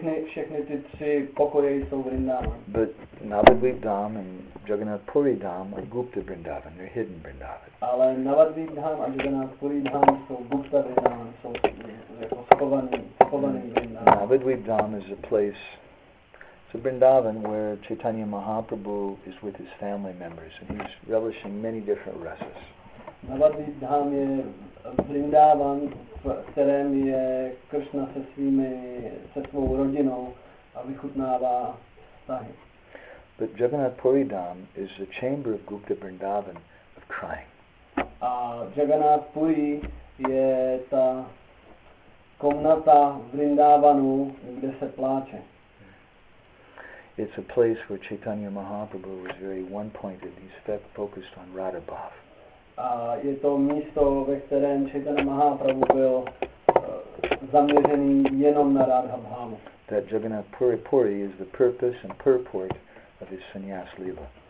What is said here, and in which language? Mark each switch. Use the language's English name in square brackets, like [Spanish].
[Czech] Všechny ty tři pokoje jsou Vrindavan. [English] But Navadvip Dham and Jagannath Puri Dham are Gupta Vrindavan. They're hidden Vrindavan. [Czech] Ale Navadvip Dham a Jagannath Puri Dham jsou Gupta Vrindavan. Jsou jako schovaný Vrindavan. [English] Navadvip Dham is a place. So Vrindavan, where Chaitanya Mahaprabhu is with his family members, and he's relishing many different rasas. [Czech] Navadvip Dham je Vrindavan, v kterém je Krishna se svou rodinou a vychutnává vztahy. [English] But Jagannath Puri Dham is the chamber of Gupta Vrindavan of crying. [Czech] A Jagannath Puri je ta komnata Vrindavanu, kde se pláče. [English] It's a place where Chaitanya Mahaprabhu was very one-pointed. He's focused on Radha Bhav. [Czech] Je to místo, ve kterém Chaitanya Mahaprabhu byl zaměřený jenom na Radha Bhavu. [English] That Jagannath Puri is the purpose and purport of his sannyas leela.